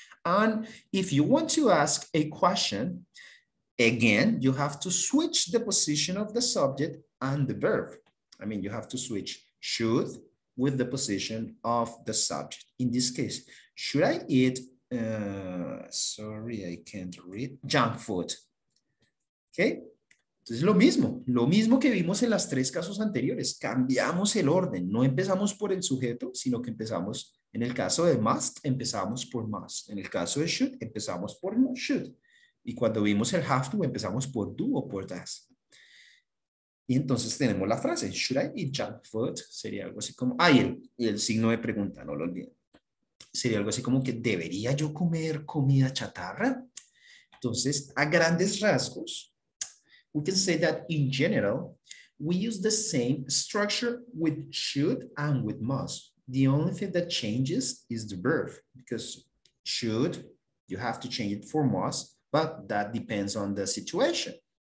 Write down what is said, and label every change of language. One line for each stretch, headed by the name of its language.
English: And if you want to ask a question, again, you have to switch the position of the subject and the verb. I mean, you have to switch should with the position of the subject. In this case, should I eat, I can't read, junk food. Okay?
Spanish: Entonces, lo mismo que vimos en las tres casos anteriores. Cambiamos el orden. No empezamos por el sujeto, sino que empezamos, en el caso de must, empezamos por must. En el caso de should, empezamos por no should. Y cuando vimos el have to, empezamos por do o por does. Y entonces tenemos la frase,
English: should I eat junk food?
Spanish: Sería algo así como, y el signo de pregunta, no lo olviden. Sería algo así como que, ¿debería yo comer comida chatarra? Entonces, a grandes rasgos,
English: we can say that in general, we use the same structure with should and with must. The only thing that changes is the verb, because should, you have to change it for must, but that depends on the situation.